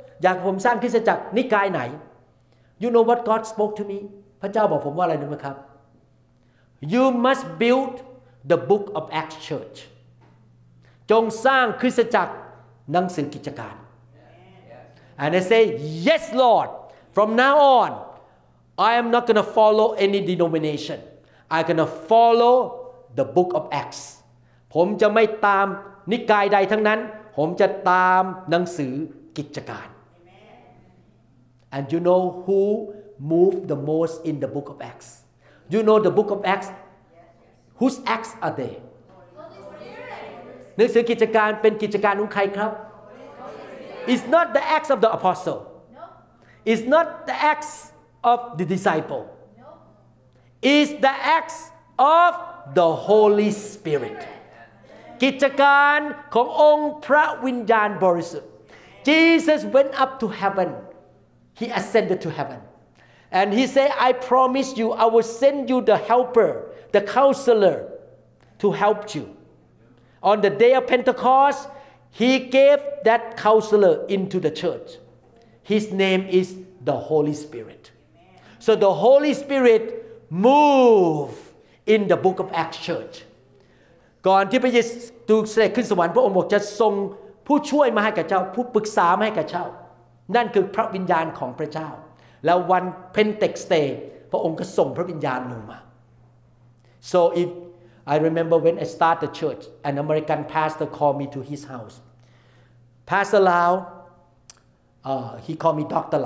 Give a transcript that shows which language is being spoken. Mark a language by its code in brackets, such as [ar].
[th] อยากผมสร้างคริสตจักรนิกายไหน [en] You know what God spoke to me? [th] พระเจ้าบอกผมว่าอะไรรู้ไหมครับ [en] You must build the Book of Acts Church. [th] จงสร้างคริสตจักรหนังสือกิจการ [en] And I say, Yes, Lord. From now on, I am not going to follow any denomination. I'm going to follow the book of Acts. [th] ผมจะไม่ตามนิกายใดทั้งนั้นผมจะตามหนังสือกิจการ [en] And you know who moved the most in the book of Acts? You know the book of Acts? Whose Acts are they? [th] หนังสือกิจการเป็นกิจการของใครครับ [en] It's not the Acts of the apostle. It's not the Acts of the disciple. Is the acts of the Holy Spirit. [th] กิจการขององค์พระวิญญาณบริสุทธิ์ [en] Jesus went up to heaven. He ascended to heaven. And he said, I promise you, I will send you the helper, the counselor, to help you. On the day of Pentecost, he gave that counselor into the church. His name is the Holy Spirit. So the Holy Spirit move in the Book of Acts Church. [th] ก่อนที่พระเยซูเสด็จขึ้นสวรรค์พระองค์บอกจะทรงผู้ช่วยมาให้กับเจ้าผู้ปรึกษามาให้กับเจ้านั่นคือพระวิญญาณของพระเจ้าแล้ววันเพนเทคสเตย์พระองค์ก็ส่งพระวิญญาณลงมา [en] So if I remember when I start the church an American pastor called me to his house Pastor Lau he called me Dr.